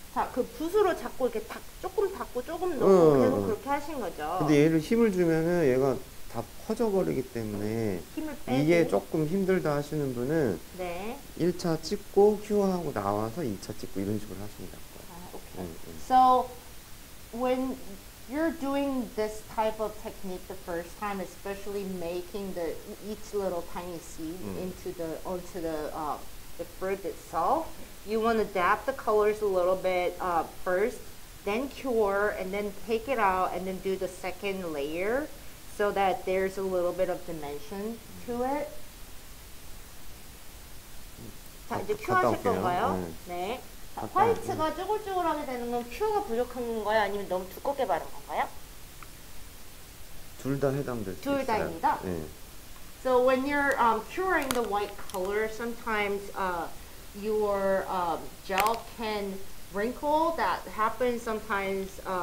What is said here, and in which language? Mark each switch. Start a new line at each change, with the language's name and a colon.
Korean: 자, 그 붓으로 자꾸 이렇게 탁 조금 닦고 조금 넣고 계속 그렇게 하신 거죠. 근데 얘를 힘을 주면은 얘가 다 퍼져버리기 때문에 힘을 빼고. 이게 조금 힘들다 하시는 분은 네. 1차 찍고 큐어하고 나와서 2차 찍고 이런 식으로 하시면 될 거예요. 아, 오케이. 네.
English: So when you're doing this type of technique the first time, especially making the each little tiny seed onto the fruit itself, you want to dab the colors a little bit first, then cure, and then take it out, and then do the second layer. So that there's a little bit of dimension to it.
Korean: 자, 이제 큐어하실 건가요? 네. 네. 자, 화이트가 쭈글쭈글하게 되는 건 큐어가 부족한 건가요? 아니면 너무 두껍게 바른 건가요? 둘 다 해당될 수 있어요. 둘 다입니다. 네.
English: So when you're curing the white color, sometimes your gel can wrinkle. That happens sometimes.